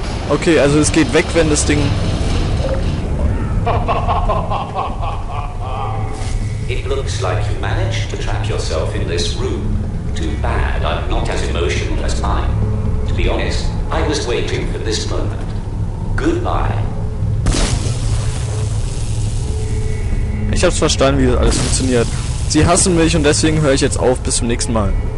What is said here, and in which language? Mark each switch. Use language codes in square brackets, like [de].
[de] Okay, also es geht weg, wenn das Ding. [en] It looks like you managed to trap yourself in this room. Too bad, I'm not as emotional as mine. To be honest, I was waiting for this moment. Goodbye. [de] Ich hab's verstanden, wie das alles funktioniert. Sie hassen mich und deswegen höre ich jetzt auf. Bis zum nächsten Mal.